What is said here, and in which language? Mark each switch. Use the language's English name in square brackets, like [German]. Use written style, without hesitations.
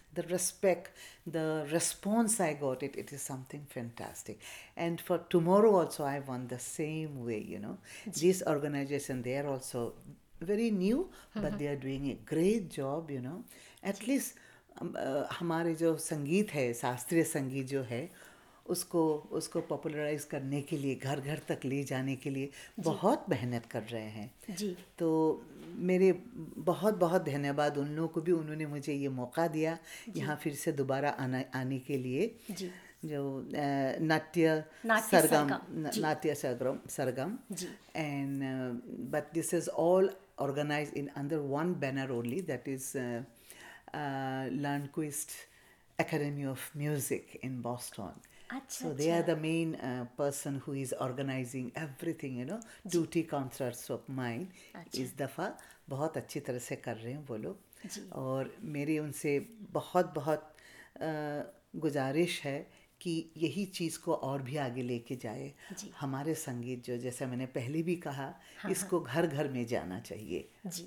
[English] The respect, the response I got, it is something fantastic. And for tomorrow also, I won the same way, you know. This organization, they are also very new, but they are doing a great job, you know. At least, [Hindi] हमारे जो संगीत है, शास्त्रीय संगीत जो है, उसको popularise करने के लिए, घर घर तक ले जाने के लिए बहुत मेहनत कर रहे हैं जी। तो मेरे बहुत बहुत धन्यवाद उन लोगों को भी, उन्होंने मुझे ये मौका दिया यहाँ फिर से दोबारा आने के लिए जी। [English] जो Natya Sargam and but this is all organize in under one banner only, that is LearnQuest academy of music in Boston. [Hindi] अच्छा, [English] so they are the main person who is organizing everything, you know, duty concerts of mine. [Hindi] इस दफ़ा बहुत अच्छी तरह से कर रहे हैं वो लोग, और मेरी उनसे बहुत बहुत गुजारिश है कि यही चीज़ को और भी आगे लेके जाए। हमारे संगीत जो, जैसे मैंने पहले भी कहा, इसको घर घर में जाना चाहिए।